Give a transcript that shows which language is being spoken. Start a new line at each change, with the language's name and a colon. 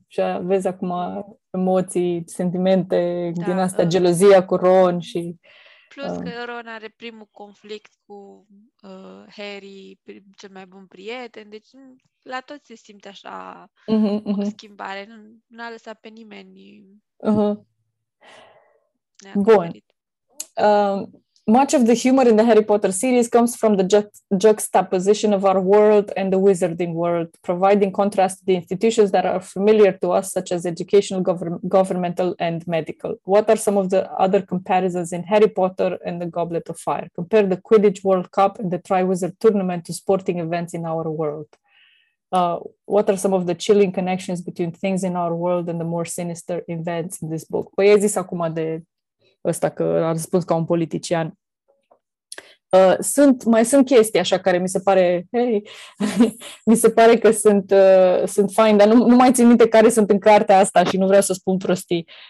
Romanian: Și vezi acum emoții, sentimente, da, din asta, gelozia cu Ron și... Plus că Ron are primul conflict cu Harry, cel mai bun prieten, deci la toți se simte așa o schimbare, nu a lăsat pe nimeni. Bun.
English: Much of the humor in the Harry Potter series comes from the juxtaposition of our world and the wizarding world, providing contrast to the institutions that are familiar to us, such as educational, governmental, and medical. What are some of the other comparisons in Harry Potter and the Goblet of Fire? Compare the Quidditch World Cup and the Triwizard Tournament to sporting events in our world. What are some of the chilling connections between things in our world and the more sinister events in this book?
Romanian: Păi ai zis acum de... ăsta că a răspuns ca un politician. Mai sunt chestii așa care mi se pare, hey, mi se pare că sunt fain, dar nu mai țin minte care sunt în cartea asta și nu vreau să spun prostii.